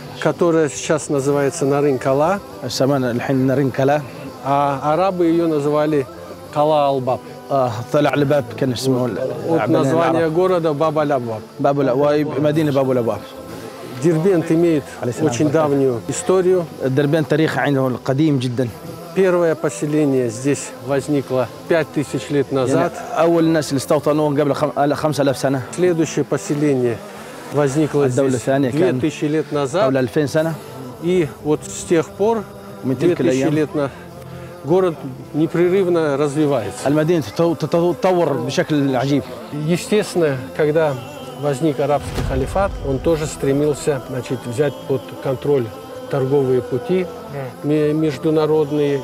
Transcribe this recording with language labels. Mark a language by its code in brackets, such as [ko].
[ru] которая сейчас называется Нарын-Кала. Нарын-Кала. А арабы ее называли Кала-Албаб. Талаль-Баб, конечно, от названия города Баб-Аль-Абваб. Баб-Аль-Абваб, Мадина Баб-Аль-Абваб. Дербент имеет очень давнюю историю. [ar] Дербент тарих عنده قديم جدا. [ru] Первое поселение здесь возникло 5000 лет назад. [ar] أول الناس اللي استوطنوا قبل 5000 سنة. [ru] Следующее поселение возникло здесь 2000 лет назад. [ar] قبل 2000 سنة. [ru] И вот с тех пор 2000 лет назад город непрерывно развивается. Естественно, когда возник арабский халифат, он тоже стремился, значит, взять под контроль торговые пути международные.